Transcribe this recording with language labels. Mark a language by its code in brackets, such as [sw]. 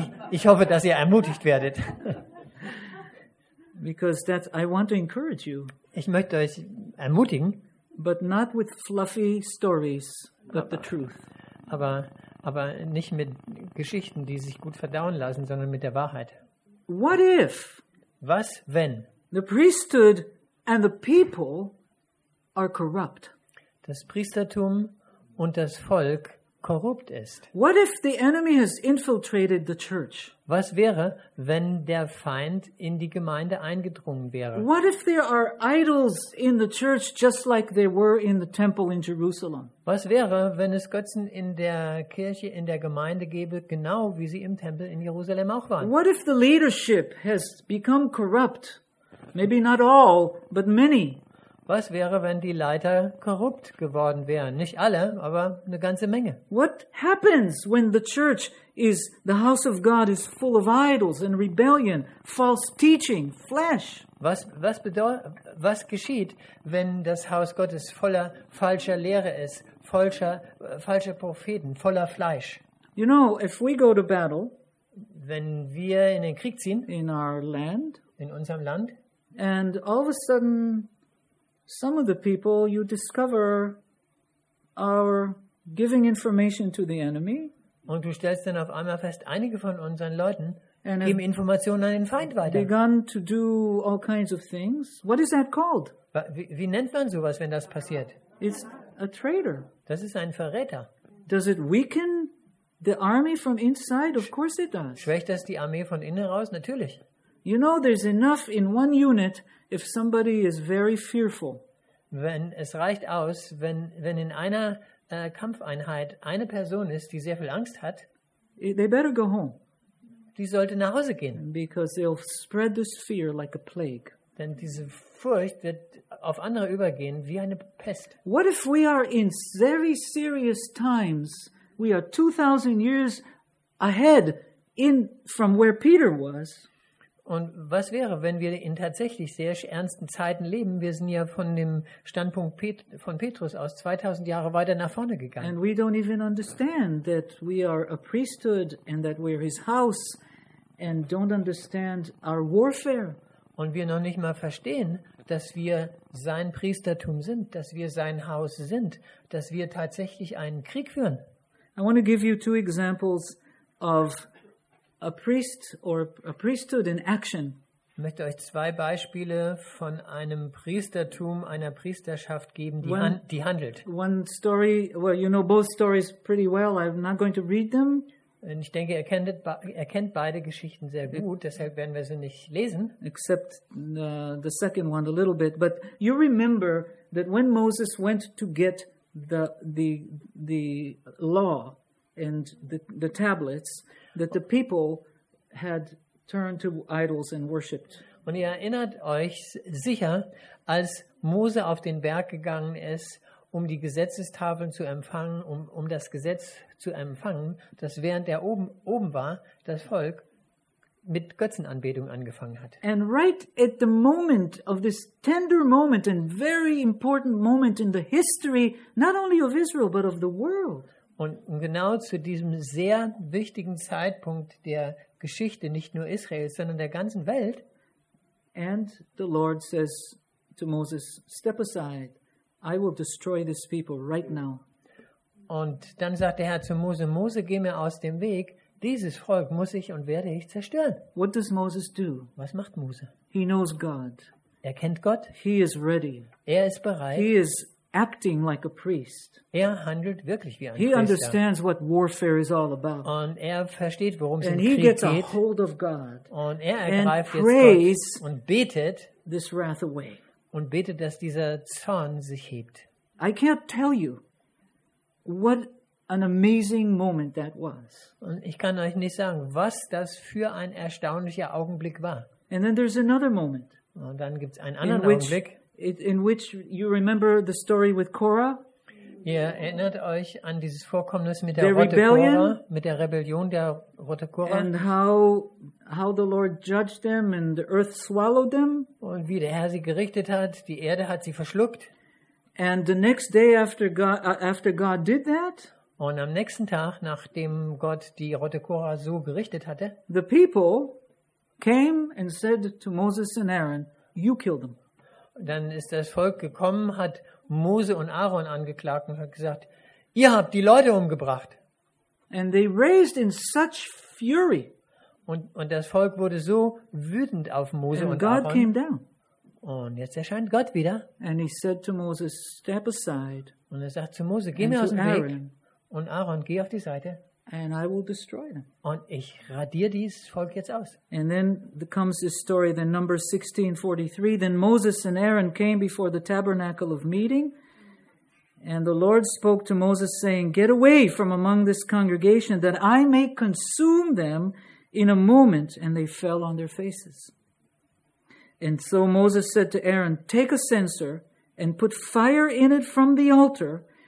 [de] ich hoffe, dass ihr ermutigt werdet. [en] Because that's, I want to encourage you. [de] Ich möchte euch ermutigen. [en] But not with fluffy stories, but the truth. [de] Aber nicht mit Geschichten, die sich gut verdauen lassen, sondern mit der Wahrheit. [en] What if? [de] Was wenn? [en] The priesthood and the people are corrupt. [de] Das Priestertum und das Volk korrupt ist. [en] What if the enemy has infiltrated the church? [de] Was wäre, wenn der Feind in die Gemeinde eingedrungen wäre? [en] What if there are idols in the church just like there were in the temple in Jerusalem? [de] Was wäre, wenn es Götzen in der Kirche, in der Gemeinde gäbe, genau wie sie im Tempel in Jerusalem auch waren? [en] What if the leadership has become corrupt? Maybe not all, but many. [de] Was wäre, wenn die Leiter korrupt geworden wären? Nicht alle, aber eine ganze Menge. [en] What happens when the church is the house of God is full of idols and rebellion, false teaching, flesh? [de] Was geschieht, wenn das Haus Gottes voller falscher Lehre ist, falscher Propheten, voller Fleisch? [en] You know, if we go to battle, [de] wenn wir in den Krieg ziehen, [en] in our land, [de] in unserem Land, [en] and all of a sudden some of the people you discover are giving information to the enemy. [de] Und du stellst dann auf einmal fest, einige von unseren Leuten geben Informationen an den Feind weiter. [en] Begun to do all kinds of things. What is that called? [de] Wie nennt man sowas, wenn das passiert? [en] It's a traitor. [de] Das ist ein Verräter. [en] Does it weaken the army from inside? Of course it does. [de] Schwächt das die Armee von innen raus? Natürlich. [en] You know, there's enough in one unit. If somebody is very fearful, [de] wenn es reicht aus, wenn in einer Kampfeinheit eine Person ist, die sehr viel Angst hat, [en] they better go home. [de] Die sollte nach Hause gehen. [en] Because they'll spread this fear like a plague. [de] Denn diese Furcht wird auf andere übergehen wie eine Pest. [en] What if we are in very serious times? We are 2000 years ahead from where Peter was. [de] Und was wäre, wenn wir in tatsächlich sehr ernsten Zeiten leben? Wir sind ja von dem Standpunkt von Petrus aus 2000 Jahre weiter nach vorne gegangen. [en] And we don't even understand that we are a priesthood and that we're his house and don't understand our warfare. [de] Und wir noch nicht mal verstehen, dass wir sein Priestertum sind, dass wir sein Haus sind, dass wir tatsächlich einen Krieg führen. [en] I want to give you two examples of a priest or a priesthood in action. [de] Ich möchte euch zwei Beispiele von einem Priestertum, einer Priesterschaft geben, die handelt. [en] One story, well, you know both stories pretty well. I'm not going to read them. [de] Und ich denke, er kennt beide Geschichten sehr gut, deshalb werden wir sie nicht lesen. [en] Except the second one a little bit. But you remember that when Moses went to get the law and the tablets, that the people had turned to idols and worshipped. [de] Und ihr erinnert euch sicher, als Mose auf den Berg gegangen ist, um die Gesetzestafeln zu empfangen, um das Gesetz zu empfangen, dass während er oben war, das Volk mit Götzenanbetung angefangen hat. [en] And right at the moment of this tender moment and very important moment in the history, not only of Israel, but of the world. [de] Und genau zu diesem sehr wichtigen Zeitpunkt der Geschichte, nicht nur Israels, sondern der ganzen Welt. [en] And the Lord says to Moses, step aside. I will destroy this people right now. [de] Und dann sagt der Herr zu Mose, Mose, geh mir aus dem Weg. Dieses Volk muss ich und werde ich zerstören. [en] What does Moses do? [de] Was macht Mose? [en] He knows God. [de] Er kennt Gott. [en] He is ready. [de] Er ist bereit. [en] He is acting like a priest. [de] Er handelt wirklich wie ein Priester. [en] He understands what warfare is all about. [de] Und er versteht, worum es [en] and [de] im Krieg geht. [en] And he gets a hold of God. [de] Und er ergreift jetzt Gott und betet [en] this wrath away. [de] Und betet, dass dieser Zorn sich hebt. [en] I can't tell you what an amazing moment that was. [de] Und ich kann euch nicht sagen, was das für ein erstaunlicher Augenblick war. [en] And then there's another moment. [de] Und dann gibt's einen anderen Augenblick. [en] In which you remember the story with Korah? [de] Ihr erinnert euch an dieses Vorkommnis mit der Rotte Korah, mit der Rebellion der Rotte Korah. [en] And how the Lord judged them and the earth swallowed them. [de] Und wie der Herr sie gerichtet hat, die Erde hat sie verschluckt. [en] And the next day after God did that, [de] und am nächsten Tag, nachdem Gott die Rotte Korah so gerichtet hatte, [en] the people came and said to Moses and Aaron, you kill them. [de] Dann ist das Volk gekommen, hat Mose und Aaron angeklagt und hat gesagt, ihr habt die Leute umgebracht. [en] And they raised in such fury. [de] Und das Volk wurde so wütend auf Mose [en] and [de] und [en] God [de] Aaron. [en] Came down. [de] Und jetzt erscheint Gott wieder. [en] And he said to Moses, step aside. [de] Und er sagt zu Mose, geh mir aus dem Weg. Und Aaron, geh auf die Seite. [en] And I will destroy them. [de] Und ich radiere dieses Volk jetzt aus. [en] And then comes this story, then Numbers 16:43. Then Moses and Aaron came before the tabernacle of meeting. And the Lord spoke to Moses, saying, get away from among this congregation, that I may consume them in a moment. And they fell on their faces. And so Moses said to Aaron, take a censer and put fire in it from the altar.